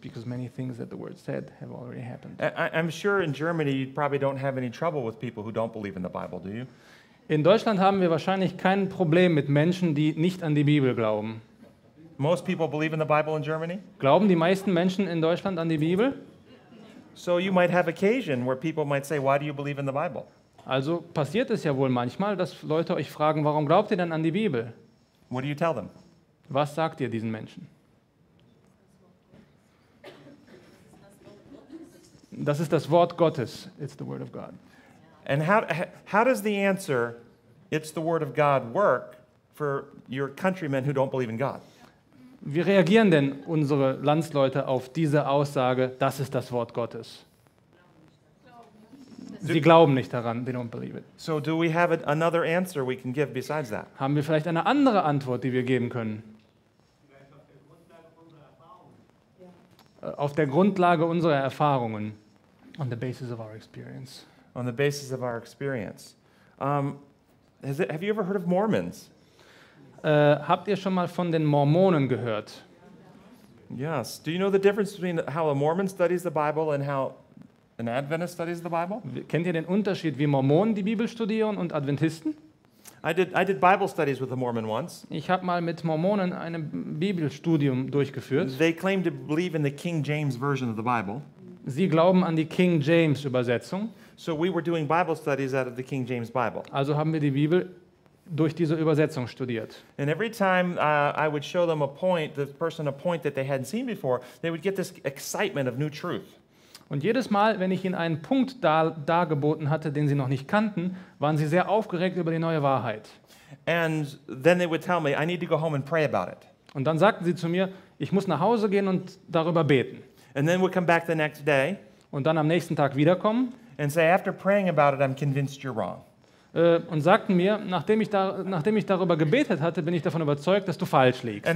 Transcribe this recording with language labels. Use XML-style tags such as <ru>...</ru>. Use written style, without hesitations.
<en>Because many things that the word said have already happened. I'm sure in Germany you probably don't have any trouble with people who don't believe in the Bible, do you?</en> <de>In Deutschland haben wir wahrscheinlich kein Problem mit Menschen, die nicht an die Bibel glauben.</de> <en>Most people believe in the Bible in Germany?</en> <de>Glauben die meisten Menschen in Deutschland an die Bibel?</de> <en>So you might have occasion where people might say, why do you believe in the Bible?</en> <de>Also passiert es ja wohl manchmal, dass Leute euch fragen, warum glaubt ihr denn an die Bibel?</de> <en>What do you tell them?</en> <de>Was sagt ihr diesen Menschen? Das ist das Wort Gottes.</de> <en>It's the word of God. And how does the answer, it's the word of God, work for your countrymen who don't believe in God?</en> <de>Wie reagieren denn unsere Landsleute auf diese Aussage, das ist das Wort Gottes? Sie glauben nicht daran,</de> <en>they don't believe it. So do we have another answer we can give besides that?</en> <de>Haben wir vielleicht eine andere Antwort, die wir geben können? Auf der Grundlage unserer Erfahrungen.</de> <en>On the basis of our experience. On the basis of our experience. Have you ever heard of Mormons?</en> <de>Habt ihr schon mal von den Mormonen gehört?</de> <en>Yes. Do you know the difference between how a Mormon studies the Bible and how an Adventist studies the Bible?</en> <de>Kennt ihr den Unterschied, wie Mormonen die Bibel studieren und Adventisten?</de> <en>I did Bible studies with a Mormon once.</en> <de>Ich habe mal mit Mormonen ein Bibelstudium durchgeführt.</de> <en>They claim to believe in the King James version of the Bible.</en> <de>Sie glauben an die King James Übersetzung.</de> <en>So we were doing Bible studies out of the King James Bible.</en> <de>Also haben wir die Bibel durch diese Übersetzung studiert.</de> <en>And every time I would show them a point, the person a point that they hadn't seen before, they would get this excitement of new truth.</en> <de>Und jedes Mal, wenn ich ihnen einen Punkt dargeboten hatte, den sie noch nicht kannten, waren sie sehr aufgeregt über die neue Wahrheit.</de> <en>And then they would tell me, I need to go home and pray about it.</en> <de>Und dann sagten sie zu mir, ich muss nach Hause gehen und darüber beten.</de> <en>And then we'll come back the next day.</en> <de>Und dann am nächsten Tag wiederkommen.</de> <en>And say, after praying about it, I'm convinced you're wrong.</en> <de>Und sagten mir, nachdem ich darüber gebetet hatte, bin ich davon überzeugt, dass du falsch liegst.</de>